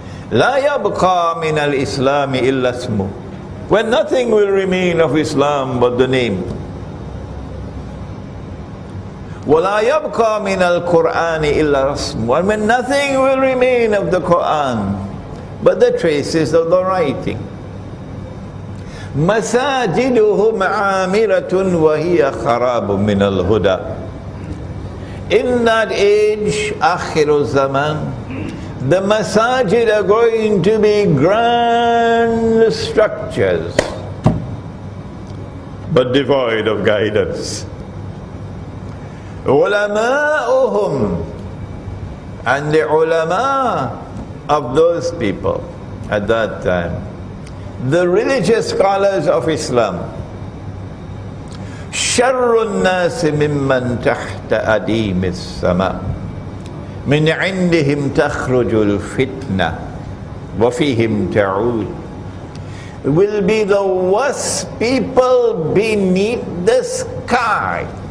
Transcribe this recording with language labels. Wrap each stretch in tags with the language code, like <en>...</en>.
<ar>La yabqa min al-Islam illa smu.</ar> <en>When nothing will remain of Islam but the name.</en> <ar>Wala yabqa min al-Qur'an illa rasmu.</ar> <en>And when nothing will remain of the Quran but the traces of the writing.</en> <ar>مساجدهم عامرة وهي خراب من الهدى.</ar> <en>In that age, آخر الزمان, the masajid are going to be grand structures, but devoid of guidance.</en> <ar>علماؤهم,</ar> <en>and the ulama of those people at that time, the religious scholars of Islam,</en> <ar>شَرُّ النَّاسِ مِمَّنْ تَحْتَ أَدِيمِ السَّمَاءِ مِنْ عِنْدِهِمْ تَخْرُجُ الْفِتْنَةِ وَفِيهِمْ تَعُودُ,</ar> <en>will be the worst people beneath the sky.</en>